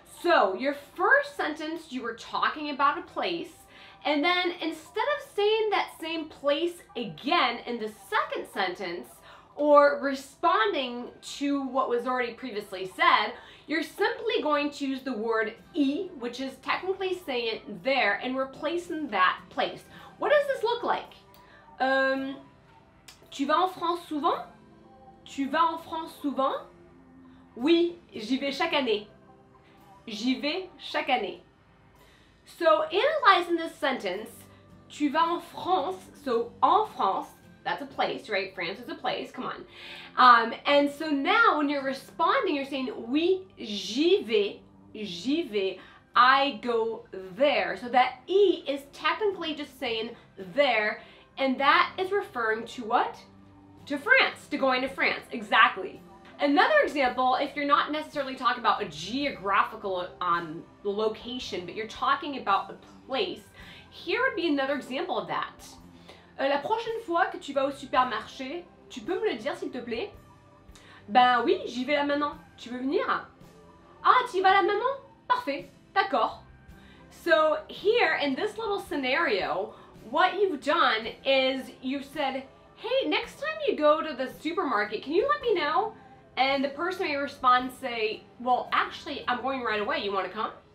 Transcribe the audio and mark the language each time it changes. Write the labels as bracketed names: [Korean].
[English] So your first sentence, you were talking about a place, and then instead of saying that same place again in the second sentence, or responding to what was already previously said, you're simply going to use the word I, which is technically saying there, and replacing that place. What does this look like? [French] Tu vas en France souvent? Tu vas en France souvent? Oui, j'y vais chaque année. J'y vais chaque année. [English] So, analyzing this sentence, [French] tu vas en France, so en France, [English] that's a place, right? France is a place, come on. And so now when you're responding, you're saying, [French] oui, j'y vais, [English] I go there. So that E is technically just saying there, and that is referring to what? To France, to going to France, exactly. Another example, if you're not necessarily talking about a geographical location, but you're talking about a place, here would be another example of that. [French] La prochaine fois que tu vas au supermarché, tu peux me le dire s'il te plaît? Ben oui, j'y vais là maintenant. Tu veux venir? Ah, tu y vas là maintenant? Parfait, d'accord. [English] So here in this little scenario, what you've done is you said, hey, next time you go to the supermarket, can you let me know? And the person may respond and say, well, actually, I'm going right away. You want to come?